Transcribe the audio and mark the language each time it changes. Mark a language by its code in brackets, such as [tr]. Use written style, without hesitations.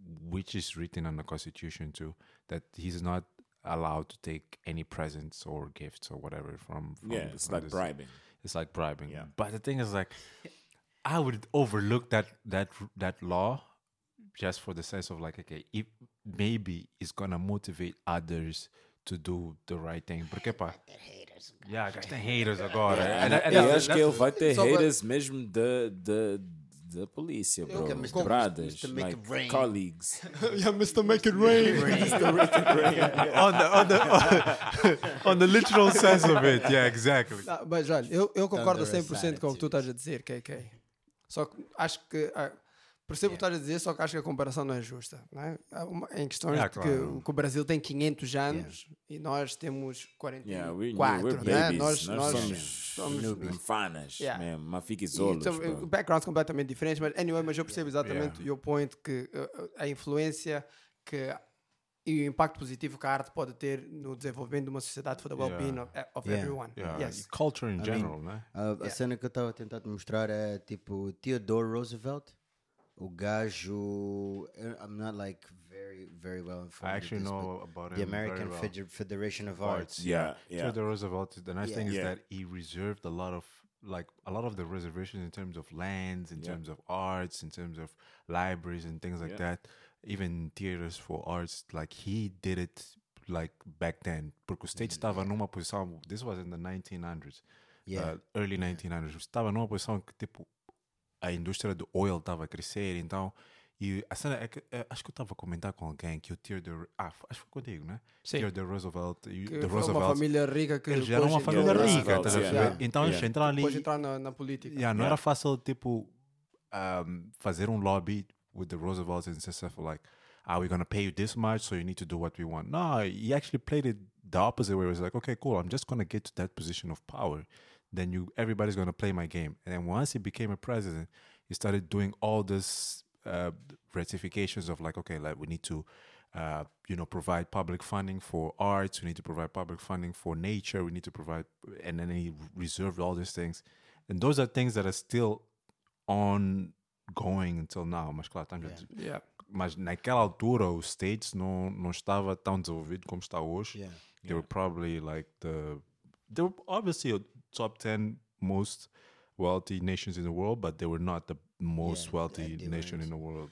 [en] which is written on the constitution too, that he's not allowed to take any presents or gifts or whatever from yeah, it's from like this. Bribing. It's like bribing. Yeah. But the thing is, like, I would overlook that law just for the sense of like, okay, if maybe it's gonna motivate others to do the right thing. [pt] Porque, pá, [en] the haters [pt] agora. Eu acho que ele vai ter haters mesmo da polícia, bro. [en] Okay, Mr. Brothers, Mr. Make like it colleagues. Yeah, Mr. Make It Rain. Mr. Make It Rain. On the literal sense of it. Yeah, exactly. [pt] Não, mas, olha, eu concordo 100% com o que tu estás a dizer, KK. Só que acho que... percebo o que estás a dizer, só que acho que a comparação não é justa. Né? Em questões de que o Brasil tem 500 anos e nós temos 44. Yeah, [en] we're babies. [pt] Né? Nós somos infanas. Yeah. Uma fica isolos. Então, backgrounds completamente diferentes. Mas, anyway, mas eu percebo exatamente o point que a influência que, e o impacto positivo que a arte pode ter no desenvolvimento de uma sociedade [en] for the well-being of everyone. Yeah. Yes. Culture in general. [pt] A cena que eu estava a tentar te mostrar é tipo Theodore Roosevelt. O gajo, [en] I'm not like very, very well informed. I actually know about the American Federation of Arts. Yeah. Theodore Roosevelt, the nice thing is that he reserved a lot of the reservations in terms of lands, in terms of arts, in terms of libraries and things like that. Even theaters for arts, like he did it like back then. [pt] Porque o state estava numa posição, [en] this was in the 1900s, early 1900s. [pt] Estava numa posição que tipo, a indústria do oil estava a crescer, então... E a cena é que... Acho que eu estava a comentar com alguém que o Theodore... Ah, acho que foi contigo, né? Sim. Theodore Roosevelt... Que foi uma família rica que... Ele já era uma família rica, tá vendo? Então, eles entraram ali... Depois entrar na política. Yeah, não era fácil, tipo... fazer um lobby [en] with the Roosevelts and stuff like... Are we gonna pay you this much, so you need to do what we want? No, he actually played it the opposite way. He was like, okay, cool, I'm just gonna get to that position of power... Then everybody's gonna play my game. And then once he became a president, he started doing all this ratifications of like, okay, like we need to, provide public funding for arts. We need to provide public funding for nature. We need to provide, and then he reserved all these things. And those are things that are still ongoing until now. [pt] Mas claro, mas naquela altura os states não estava tão desenvolvido como está hoje. [en] Yeah. They were probably like they were obviously top 10 most wealthy nations in the world, but they were not the most wealthy nation in the world.